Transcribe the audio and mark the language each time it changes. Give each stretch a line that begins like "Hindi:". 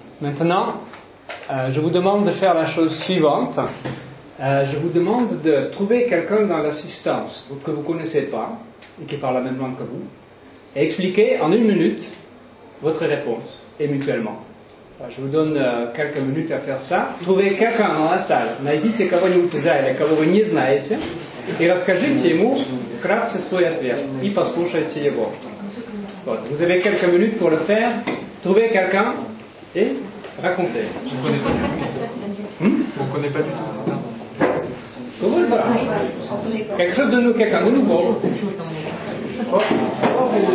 French: Maintenant, je vous demande de faire la chose suivante. Je vous demande de trouver quelqu'un dans l'assistance que vous ne connaissez pas et qui parle la même langue que vous et expliquer en une minute votre réponse et mutuellement. Je vous donne quelques minutes à faire ça. Trouvez quelqu'un dans la salle.
Russian: Найдите кого-нибудь в зале, кого вы не знаете, и расскажите ему вкратце свой ответ и послушайте его. Вот.
French: Vous avez quelques minutes pour le faire. Trouvez quelqu'un. Et racontez. On ne connaît pas du tout. Quelque chose de nous, quelqu'un de nouveau. Oh. Oh.